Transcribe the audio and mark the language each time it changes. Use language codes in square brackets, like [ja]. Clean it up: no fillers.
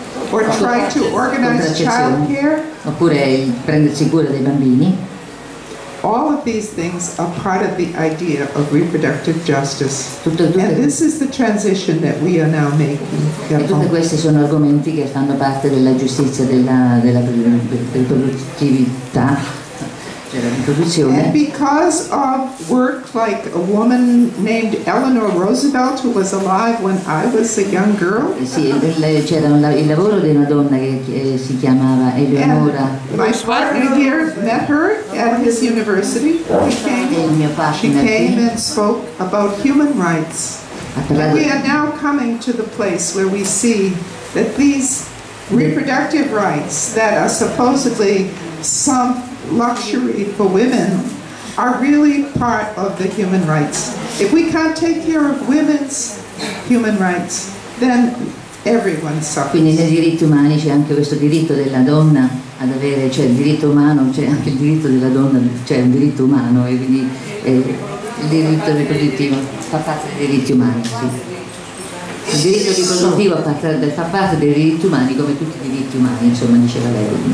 [en] or try to organize child care. [it] Oppure prendersi cura dei bambini. [en] All of these things are part of the idea of reproductive justice. And this is the transition that we are now making. [it] E tutte queste sono argomenti che fanno parte della giustizia della riproduttività. [en] And because of work like a woman named Eleanor Roosevelt, who was alive when I was a young girl. [it] Sì, c'era il lavoro di una donna che si chiamava Eleonora. [en] My partner here met her at his university. She came and spoke about human rights. And we are now coming to the place where we see that these reproductive rights that are supposedly some luxury for women are really part of the human rights. If we can't take care of women's human rights, then everyone suffers. [it] Quindi nei diritti umani c'è anche questo diritto della donna ad avere, cioè il diritto umano, c'è anche il diritto della donna, cioè un diritto umano, e quindi il diritto riproduttivo fa parte dei diritti umani. Sì. Il diritto riproduttivo fa parte dei diritti umani come tutti i diritti umani, insomma, diceva lei.